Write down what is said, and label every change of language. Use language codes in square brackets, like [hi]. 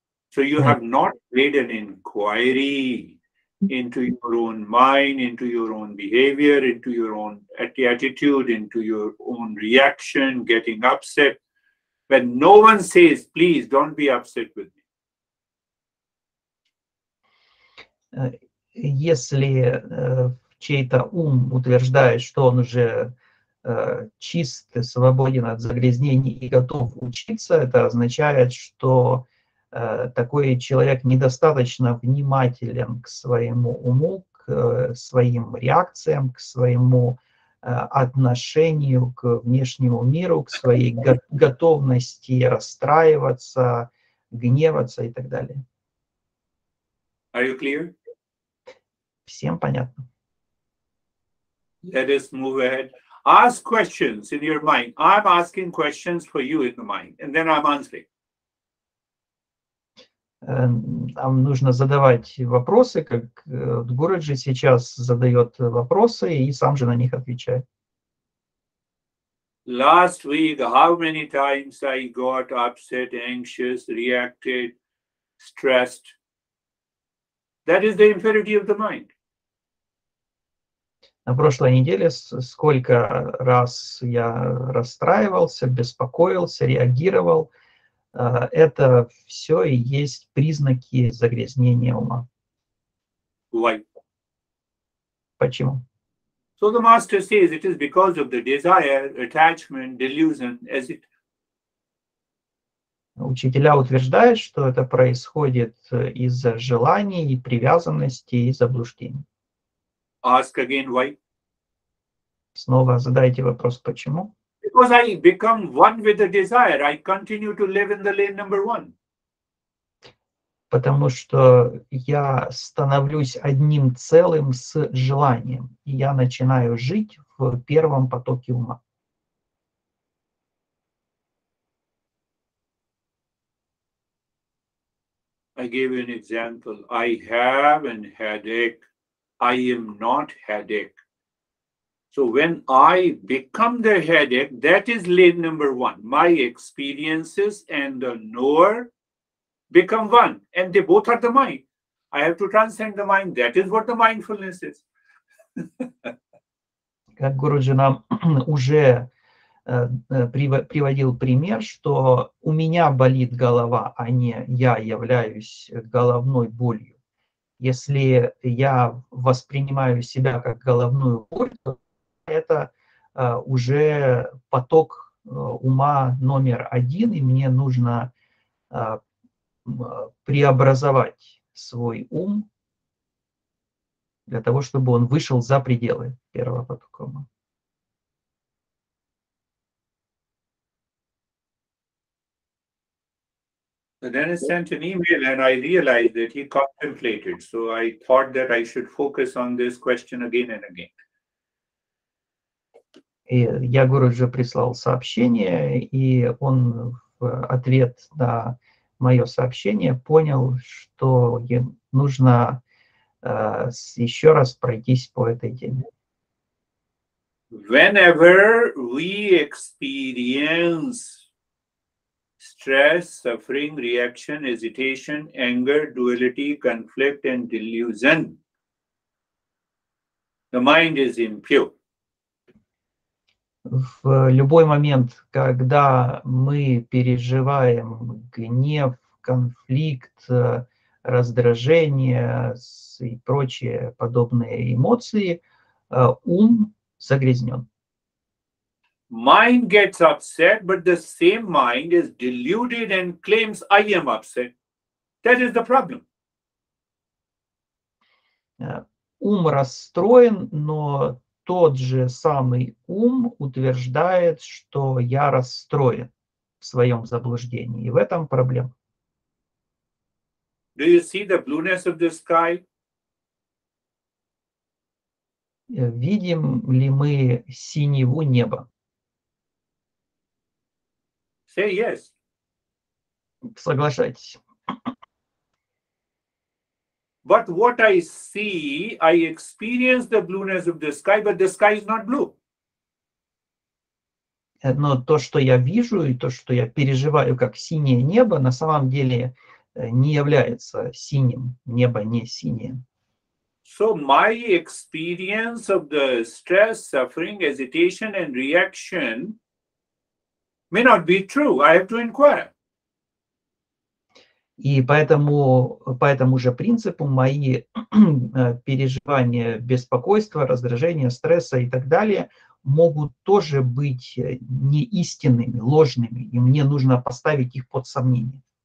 [en] So you have not made an inquiry into your own mind, into your own behavior, into your own attitude, into your own reaction, getting upset. When no one says, please don't be upset with me. [ru] Если чей-то ум утверждает, что он уже чист, свободен от загрязнений и готов учиться, это означает, что такой человек недостаточно внимателен к своему уму, к своим реакциям, к своему отношению к внешнему миру, к своей готовности расстраиваться, гневаться и так далее. [en] Are you clear? [ru] Всем понятно. [en] Let us move ahead. Ask questions in your mind. I'm asking questions for you in the mind, and then I'm answering. [ru] Нам нужно задавать вопросы, как Гуруджи сейчас задает вопросы и сам же на них отвечает. [en] Last week, how many times I got upset, anxious, reacted, stressed? That is the impurity of the mind. [ru] На прошлой неделе сколько раз я расстраивался, беспокоился, реагировал. Это все и есть признаки загрязнения ума. [en] Why? [ru] Почему? [en] So the master says it is because of the desire, attachment, delusion, as it. [ru] Учителя утверждают, что это происходит из-за желаний, привязанности и заблуждений. [en] Ask again, why? [ru] Снова задайте вопрос, почему? [en] Because I become one with the desire. I continue to live in the lane number one. [ru] Потому что я становлюсь одним целым с желанием. И я начинаю жить в первом потоке ума. [en] I gave you an example. I have an headache. I am not headache. So when I become the headache, that is lane number one. My experiences and the knower become one, and they both are the mind. I have to transcend the mind. That is what the mindfulness is. [ru] как Гуруджи нам уже приводил пример, что у меня болит голова, а не я являюсь головной болью. Если я воспринимаю себя как головную боль, то это уже поток ума номер один, и мне нужно преобразовать свой ум для того, чтобы он вышел за пределы первого потока ума. [en] And then he sent an email and I realized that he contemplated. So I thought that I should focus on this question again and again. [ru] И я Гуруджи прислал сообщение, и он в ответ на мое сообщение понял, что нужно еще раз пройтись по этой теме. [en] Whenever we experience stress, suffering, reaction, hesitation, anger, duality, conflict, and delusion, the mind is impure. [ru] В любой момент, когда мы переживаем гнев, конфликт, раздражение и прочие подобные эмоции, ум загрязнен. [en] Mind gets upset, but the same mind is deluded and claims I am upset. That is the problem. [ru] Ум расстроен, но тот же самый ум утверждает, что я расстроен в своем заблуждении. И в этом проблема. [en] Do you see the blueness of the sky? [ru] Видим ли мы синеву неба? [en] Say yes. [ru] Соглашайтесь. [en] But what I see, I experience the blueness of the sky, but the sky is not blue. [ru] Но то, что я вижу, и то, что я переживаю как синее небо, на самом деле не является синим. Небо не синее. [en] So my experience of the stress, suffering, hesitation and reaction may not be true. I have to inquire. [ru] И поэтому по этому же принципу мои переживания беспокойства, раздражения, стресса и так далее могут тоже быть неистинными, ложными, и мне нужно поставить их под сомнение.